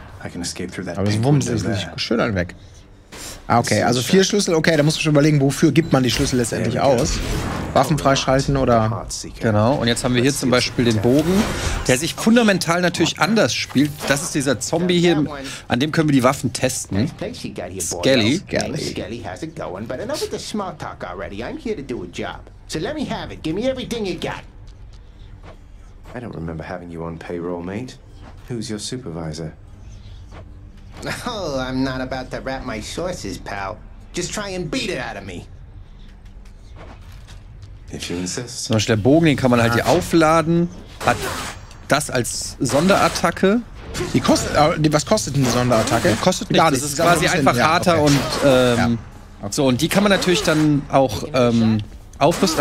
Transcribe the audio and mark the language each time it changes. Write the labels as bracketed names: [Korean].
[German] Aber es wummt sich schön an weg. Okay, also 4 Schlüssel. Okay, da muss man schon überlegen, wofür gibt man die Schlüssel letztendlich aus? Waffen freischalten oder? Genau, und jetzt haben wir hier zum Beispiel den Bogen, der sich fundamental natürlich anders spielt. Das ist dieser Zombie hier, an dem können wir die Waffen testen. [English] Skelly. Skelly has it going, but enough with the small talk already. I'm here to do a job. So let me have it. Give me everything you got. I don't remember having you on payroll, mate. Who's your supervisor? Oh, I'm not about to wrap my sources, pal. Just try and beat it out of me. If you insist. [German] Zum Beispiel der Bogen, den kann man halt hier aufladen. Hat das als Sonderattacke. Die kostet, was kostet eine Sonderattacke? Die kostet gar nichts. Das ist quasi einfach harter und so, und die kann man natürlich dann auch aufrüsten.